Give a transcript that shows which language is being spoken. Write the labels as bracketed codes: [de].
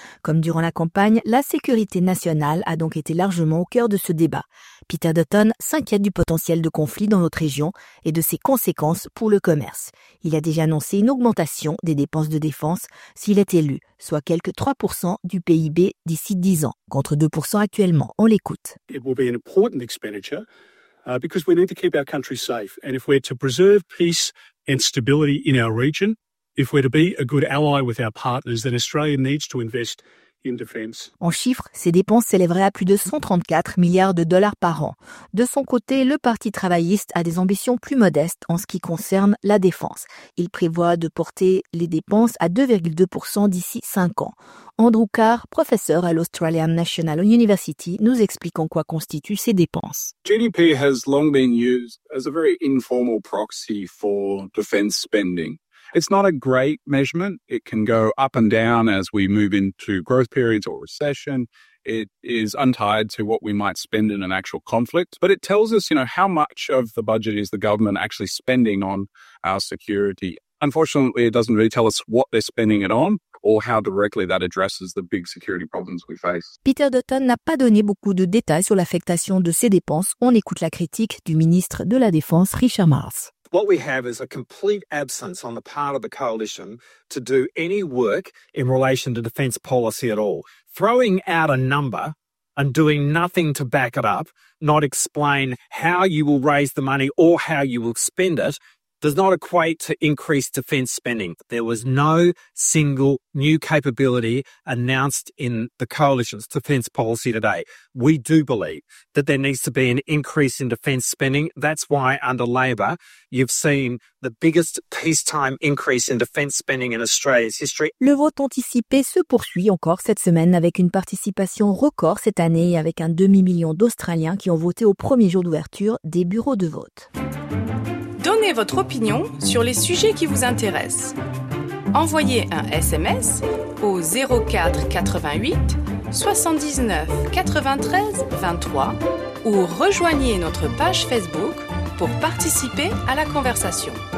[fr] Comme durant la campagne, la sécurité nationale a donc été largement au cœur de ce débat. Peter Dutton s'inquiète du potentiel de conflit dans notre région et de ses conséquences pour le commerce. Il a déjà annoncé une augmentation des dépenses de défense s'il est élu, soit quelque 3% du PIB d'ici 10 ans, contre 2% actuellement. On l'écoute. [en] It will be an important expenditure. Because we need to keep our country safe. And if we're to preserve peace and stability in our region, if we're to be a good ally with our partners, then Australia needs to invest in defence. En chiffres, ces dépenses s'élèveraient à plus de 134 milliards de dollars par an. De son côté, le Parti travailliste a des ambitions plus modestes en ce qui concerne la défense. Il prévoit de porter les dépenses à 2,2% d'ici 5 ans. Andrew Carr, professeur à l'Australian National University, nous explique en quoi constituent ces dépenses. GDP has long been used as a very informal proxy for defence spending. It's not a great measurement. It can go up and down as we move into growth periods or recession. It is untied to what we might spend in an actual conflict, but it tells us, you know, how much of the budget is the government actually spending on our security. Unfortunately, it doesn't really tell us what they're spending it on. Or how directly that addresses the big security problems we face. Peter Dutton n'a pas donné beaucoup de détails sur l'affectation de ces dépenses. On écoute la critique du ministre de la Défense, Richard Marles. What we have is a complete absence on the part of the coalition to do any work in relation to defence policy at all. Throwing out a number and doing nothing to back it up, not explain how you will raise the money or how you will spend it, does not equate to increased defence spending. There was no single new capability announced in the coalition's defence policy today. We do believe that there needs to be an increase in defence spending. That's why under Labor, you've seen the biggest peacetime increase in defence spending in Australia's history. [fr] Le vote anticipé se poursuit encore cette semaine avec une participation record cette année et avec un demi-million d'Australiens qui ont voté au premier jour d'ouverture des bureaux de vote. Donnez votre opinion sur les sujets qui vous intéressent. Envoyez un SMS au 04 88 79 93 23 ou rejoignez notre page Facebook pour participer à la conversation.